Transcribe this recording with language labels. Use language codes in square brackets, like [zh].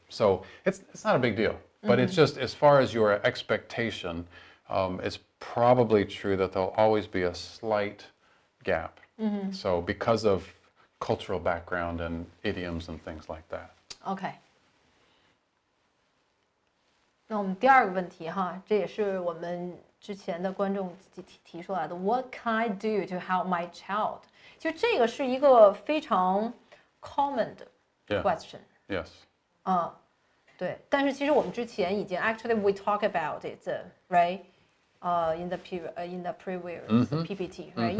[en] So it's not a big deal. But it's just as far as your expectation, it's probably true that there'll always be a slight gap. So because of cultural background and idioms and things like that. Okay. [zh] 那我们第二个问题哈，这也是我们之前的观众提出来的。 [en] What can I do to help my child? [zh] 就这个是一个非常 [en] common [zh] 的 [en] question. Yes. [zh] 对，但是其实我们之前已经 [en] actually we talk about it, right? In the previous PPT, right?